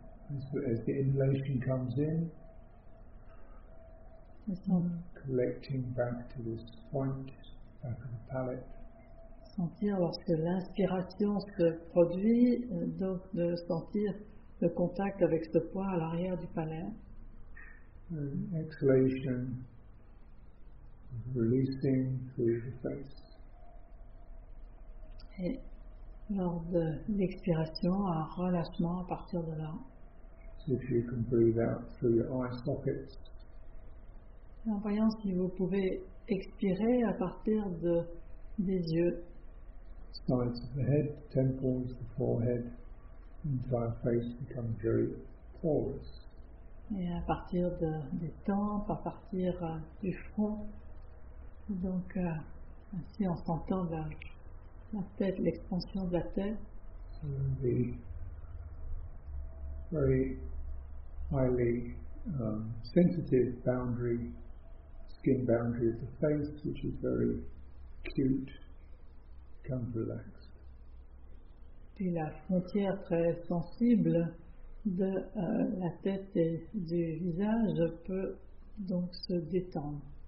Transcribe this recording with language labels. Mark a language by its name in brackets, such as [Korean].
[English] As the inhalation comes in, collecting back to this point, back of the palate. [French] Sentir lorsque l'inspiration se produit, donc de sentir le contact avec ce point à l'arrière du palais. [English] Exhalation, releasing through the face. [French] Et lors de l'expiration, un relâchement à partir de là. [English] So if you can breathe out through your eye sockets. [French] En voyant si vous pouvez expirer à partir des yeux. [English] Sides of the head, the temples, the forehead, the entire face becomes very porous. [French] Et à partir des tempes, à partir du front. Donc, ainsi en sentant la tête, l'expansion de la tête. [English] The very highly sensitive boundary, skin boundary of the face, which is very acute, becomes relaxed. [French] Puis la frontière très sensible de la tête et du visage peut donc se détendre.